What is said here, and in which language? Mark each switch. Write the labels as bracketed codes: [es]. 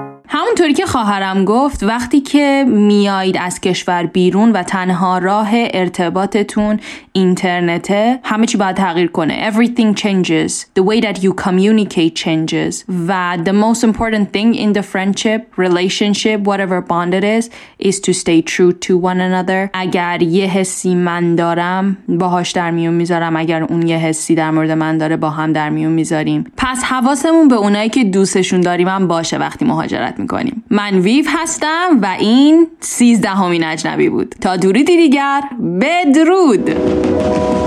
[fa] همونطوری که خواهرم گفت، وقتی که میایید از کشور بیرون و تنها راه ارتباطتون اینترنته، همه چی باید تغییر کنه. [en] Everything changes. The way that you communicate changes. و the most important thing in the friendship, relationship, whatever bond it is to stay true to one another. [fa] اگر یه حسی من دارم باهاش در میون میذارم، اگر اون یه حسی در مورد من داره با هم در میون میذاریم. پس حواسمون به اونایی که دوستشون داریم هم باشه وقتی مهاجرت میکنیم. من ویف هستم و این 13 همین اجنبی بود. تا درودی دیگر، بدرود. Oh,